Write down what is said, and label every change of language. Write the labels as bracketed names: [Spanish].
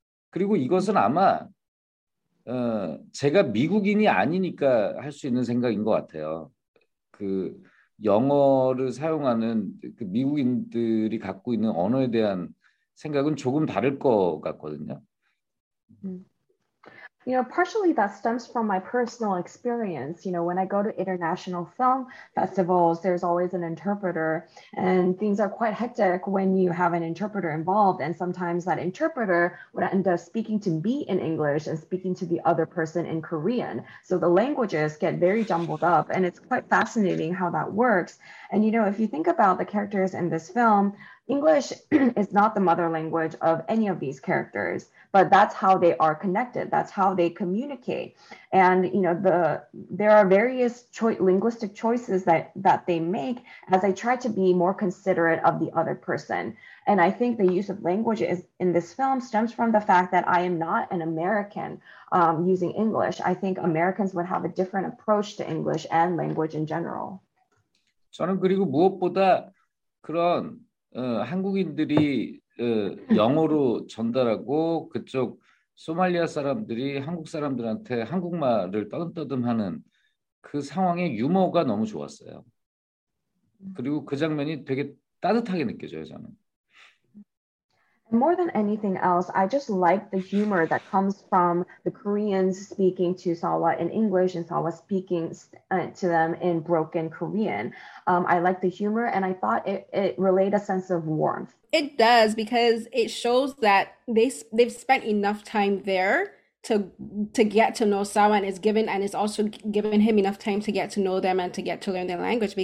[Korean] 그리고 이것은 아마 제가 미국인이 아니니까 할 수 있는 생각인 것 같아요. 그 영어를 사용하는 그 미국인들이 갖고 있는 언어에 대한 생각은 조금 다를 것 같거든요. [English] You know, partially that stems from my personal experience. You know, when I go to international film festivals, there's always an interpreter, and things are quite hectic when you have an interpreter involved. And sometimes that interpreter would end up speaking to me in English and speaking to the other person in Korean. So the languages get very jumbled up, and it's quite fascinating how that works. And, you know, if you think about the characters in this film, English is not the mother language of any of these characters, but that's how they are connected. That's how they communicate. And, you know, there are various linguistic choices that they make as they try to be more considerate of the other person. And I think the use of language in this film stems from the fact that I am not an American using English. I think Americans would have a different approach to English and language in general. [Korean] 저는 그리고 무엇보다 그런 한국인들이 영어로 전달하고 그쪽 소말리아 사람들이 한국 사람들한테 한국말을 떠듬떠듬하는 그 상황의 유머가 너무 좋았어요. 그리고 그 장면이 되게 따뜻하게 느껴져요, 저는. [English] More than anything else, I just like the humor that comes from the Koreans speaking to Sawa in English and Sawa speaking to them in broken Korean. I like the humor, and I thought it relayed a sense of warmth. It does, because it shows that they've spent enough time there to get to know Sawa, and it's also given him enough time to get to know them and to get to learn their language.